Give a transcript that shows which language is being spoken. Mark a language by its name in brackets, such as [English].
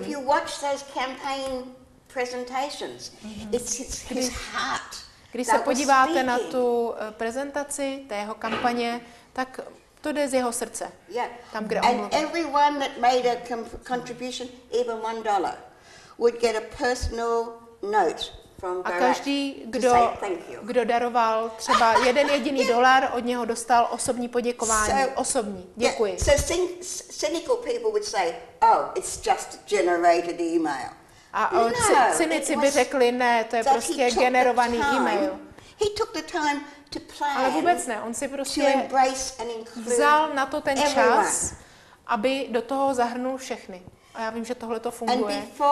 [English] If you watch those campaign presentations, it's his heart. [Czech] Když se podíváte na tu prezentaci té jeho kampaně, tak to jde z jeho srdce. [English] Yeah. [Czech] Tam, kde on and mluví. [English] Everyone that made a contribution, even $1, would get a personal note from Barack. [Czech] A každý, kdo daroval třeba jeden jediný dolar, od něho dostal osobní poděkování. Osobní. Děkuji. [English] Yeah. So cynical people would say, oh, it's just generated email. [Czech] A cynici by řekli, ne, to je prostě generovaný email. [English] He took the time. [Czech] Ale vůbec ne, on si prostě vzal na to ten čas, aby do toho zahrnul všechny. A já vím, že tohle to funguje.